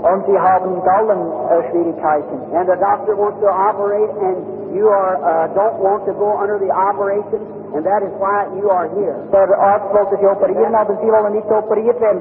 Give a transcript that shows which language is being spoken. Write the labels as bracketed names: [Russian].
[German] Und Sie haben Gallenschwierigkeiten. [English] And the doctor wants to operate, and you are don't want to go under the operation, and that is why you are here. [German] Der Arzt wollte Sie operieren, aber Sie wollen nicht operiert werden.